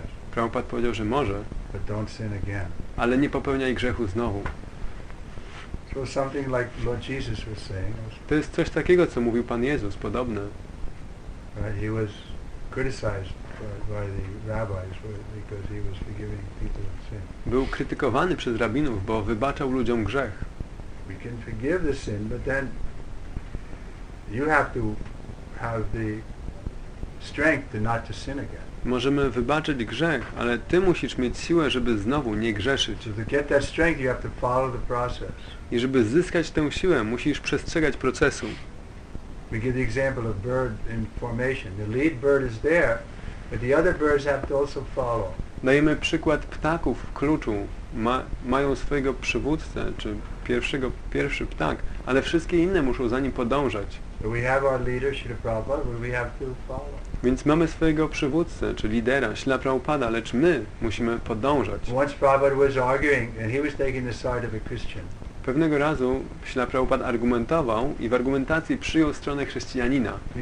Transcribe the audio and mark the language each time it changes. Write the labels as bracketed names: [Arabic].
[Polish] Prabhupada powiedział, że może, [English] but don't sin again. [Polish] Ale nie popełniaj grzechu znowu. [English] So something like Lord Jesus was saying. [Polish] To jest coś takiego, co mówił Pan Jezus, podobne. [English] He was criticized by the rabbis because he was forgiving people of sin. [Polish] Był krytykowany przez rabinów, bo wybaczał ludziom grzech. [English] We can forgive the sin, but then you have to have the strength to not to sin again. [Polish] Możemy wybaczyć grzech, ale ty musisz mieć siłę, żeby znowu nie grzeszyć. [English] So to get that strength, you have to follow the process. [Polish] I żeby zyskać tę siłę, musisz przestrzegać procesu. [English] We give the example of bird in formation. The lead bird is there, but the other birds have to also follow. [Polish] Dajemy przykład ptaków w kluczu. Mają swojego przywódcę, czy pierwszy ptak, ale wszystkie inne muszą za nim podążać. [English] We have our leader, Śrīla Prabhupāda, but we have to follow. [Polish] Więc mamy swojego przywódcę, czy lidera, Śrīla Prabhupāda, lecz my musimy podążać. [English] Once Prabhupāda was arguing, and he was taking the side of a Christian. [Polish] Pewnego razu Śrīla Prabhupāda argumentował i w argumentacji przyjął stronę chrześcijanina.